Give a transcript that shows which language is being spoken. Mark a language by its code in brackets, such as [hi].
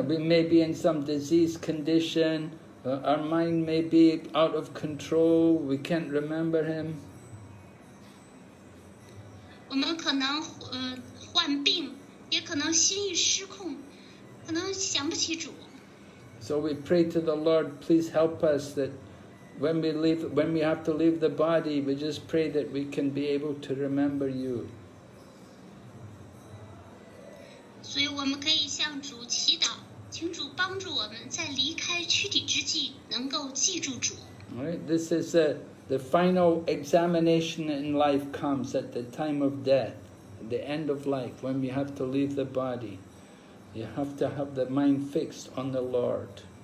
[en] we may be in some disease condition, our mind may be out of control, we can't remember him. [zh] 我们可能患病，也可能心意失控，可能想不起主。 [en] So we pray to the Lord, please help us that when we have to leave the body, we just pray that we can be able to remember you. [zh] 所以我们可以向主祈祷，请主帮助我们在离开躯体之际能够记住主。 [en] Right, this is the final examination in life comes at the time of death, the end of life, when we have to leave the body. You have to have the mind fixed on the Lord.